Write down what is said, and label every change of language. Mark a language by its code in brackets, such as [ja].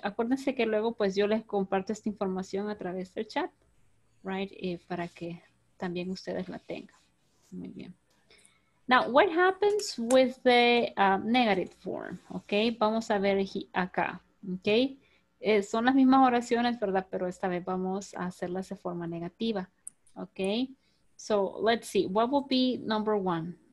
[es] Acuérdense que luego pues yo les comparto esta información a través del chat, right? Para que también ustedes la tengan. Muy bien. [en] Now, what happens with the negative form, okay? [es] Vamos a ver acá, okay? Son las mismas oraciones, ¿verdad? Pero esta vez vamos a hacerlas de forma negativa, okay? [en] So, let's see, what will be number one?